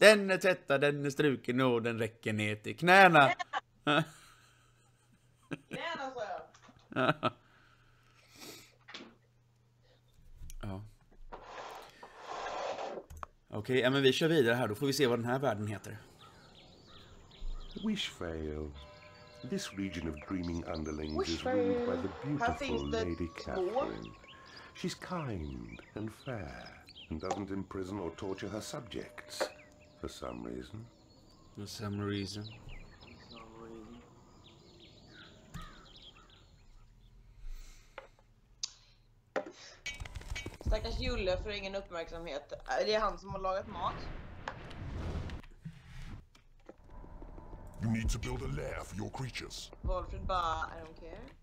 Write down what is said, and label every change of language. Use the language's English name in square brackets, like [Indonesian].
[Swedish] Den är tvättad, den är struken och den räcker ner till knäna! Knäna, sa jag! Ja. Okej, okay, ja, men vi kör vidare här. Då får vi se vad den här världen heter. [English] Wish fail. This region of dreaming underlings is ruled by the beautiful Lady Catherine. She's kind and fair and doesn't imprison or torture her subjects for some reason. For some reason. [Swedish] Stackars Julle för ingen uppmärksamhet. Det är han som har lagat mat. [English] You need to build a lair for your creatures. [Swedish] Valfrid bara, [English] I don't care.